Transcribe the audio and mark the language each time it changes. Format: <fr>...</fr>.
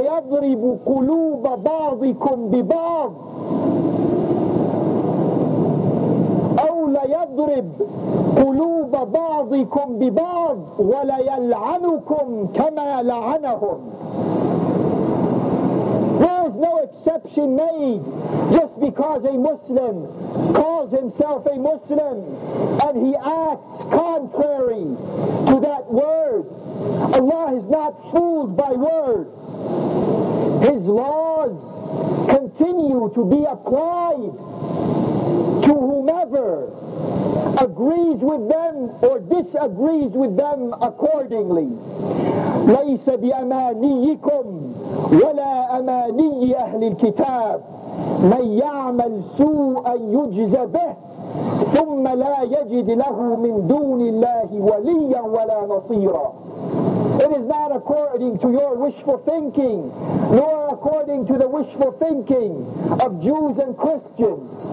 <ar>يضرب قلوب بعضكم ببعض أو ليضرب قلوب بعضكم ببعض وليلعنكم كما لعنهم</ar> <en>There is no exception made just because a Muslim calls himself a Muslim and he acts contrary to that word. Allah is not fooled by words. His laws continue to be applied to whomever agrees with them or disagrees with them accordingly.</en> <ar>لَيْسَ بِأَمَانِيِّكُمْ وَلَا أَمَانِيِّ أَهْلِ الْكِتَابِ مَنْ يَعْمَلْ سُوءًا يُجْزَ بِهِ ثُمَّ لَا يَجِدْ لَهُ مِنْ دُونِ اللَّهِ وَلِيًّا وَلَا نَصِيرًا</ar> <en>It is not according to your wishful thinking, nor according to the wishful thinking of Jews and Christians.</en>